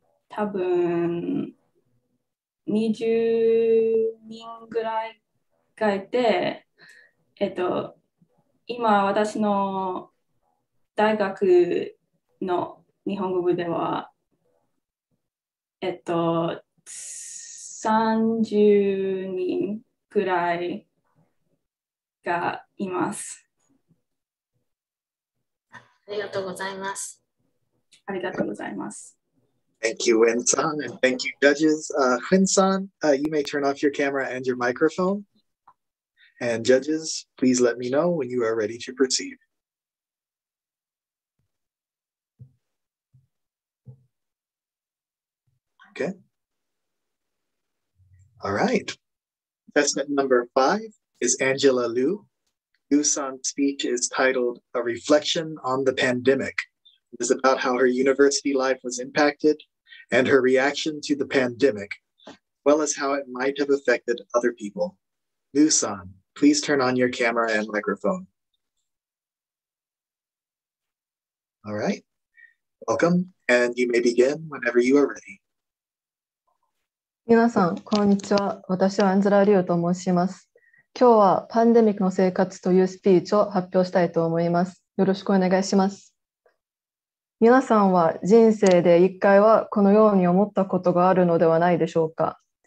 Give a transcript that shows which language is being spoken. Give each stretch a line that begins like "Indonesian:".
Japanese: 多分20人ぐらいがいて、今私の大学の日本語部では、30人くらいがいます。ありがとうございます。ありがとうございます。
English: Thank you, Wen-san, and thank you, judges. Wen-san, you may turn off your camera and your microphone. And judges, please let me know when you are ready to proceed. Okay. All right. Assessment number five is Angela Liu. Liu-san's speech is titled A Reflection on the Pandemic. It is about how her university life was impacted and her reaction to the pandemic, as well as how it might have affected other people. Liu-san, please turn on your camera and microphone. All right, welcome, and you may begin whenever you are ready.
Japanese: 皆さん、こんにちは。私はアンジェラ・リューと申します。今日はパンデミックの生活というスピーチを発表したいと思います。よろしくお願いします。皆さんは人生で一回はこのように思ったことがあるのではないでしょうか。